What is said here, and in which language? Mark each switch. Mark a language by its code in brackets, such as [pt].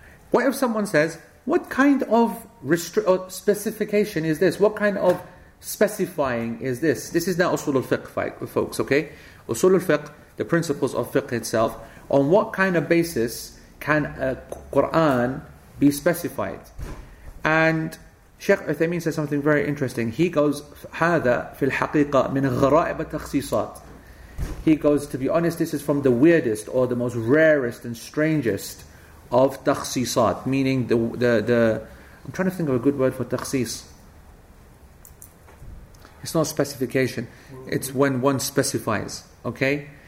[en] What if someone says, what kind of specification is this? What kind of specifying is this? This is not usul al-fiqh, folks, okay? Usul al-fiqh, the principles of fiqh itself. On what kind of basis can a Qur'an be specified? And Sheikh Uthaymeen says something very interesting. He goes, [ar] هذا في الحقيقة من غرائب التخصيصات. [en] He goes, to be honest, this is from the weirdest or the most rarest and strangest of takhsisat, meaning the I'm trying to think of a good word for takhsis. It's not specification. It's when one specifies. Okay?